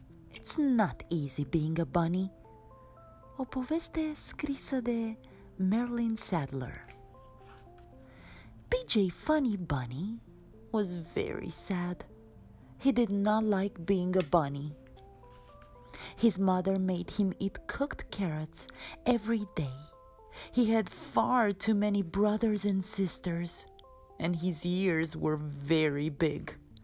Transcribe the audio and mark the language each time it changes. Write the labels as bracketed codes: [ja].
[en] It's not easy being a bunny. [ro] O poveste scrisă de Marilyn Sadler. [en] PJ Funny Bunny was very sad. He did not like being a bunny. His mother made him eat cooked carrots every day. He had far too many brothers and sisters, and his ears were very big.